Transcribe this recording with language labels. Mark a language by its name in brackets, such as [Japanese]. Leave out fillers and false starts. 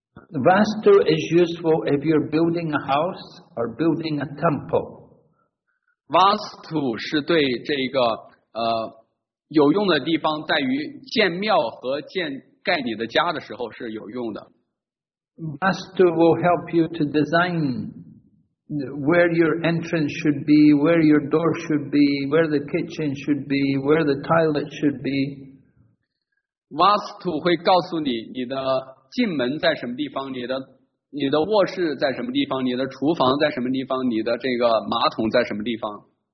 [English] The Vastu is useful if you're building a house or building a temple. [Chinese] Vastu 是对这个有用的地方在于建庙和建盖你的家的时候是有用的。 [English] Vastu will help you to design where your entrance should be, where your door should be, where the kitchen should be, where the toilet should be. [Chinese] Vastu 会告诉你你的进门在什么地方，你的卧室在什么地方，你的厨房在什么地方，你的这个马桶在什么地方。